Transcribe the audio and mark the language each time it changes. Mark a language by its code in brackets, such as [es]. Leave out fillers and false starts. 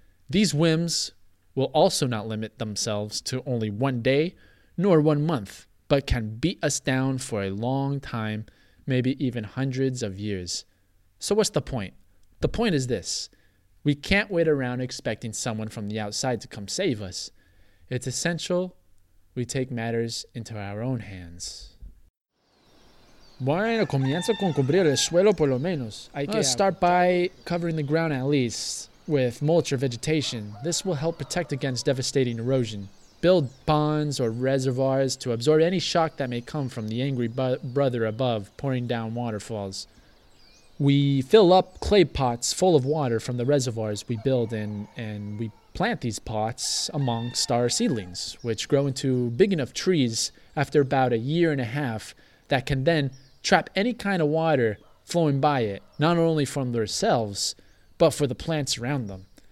[en] These whims will also not limit themselves to only one day nor one month, but can beat us down for a long time, maybe even hundreds of years. So what's the point? The point is this: we can't wait around expecting someone from the outside to come save us. It's essential we take matters into our own hands. [es] Bueno, comienza con cubrir el suelo por lo menos. [en] Start by covering the ground at least with mulch or vegetation. This will help protect against devastating erosion. Build ponds or reservoirs to absorb any shock that may come from the angry brother above pouring down waterfalls. We fill up clay pots full of water from the reservoirs we build in, and we plant these pots amongst our seedlings, which grow into big enough trees after about a year and a half that can then trap any kind of water flowing by it, not only from themselves, but for the plants around them.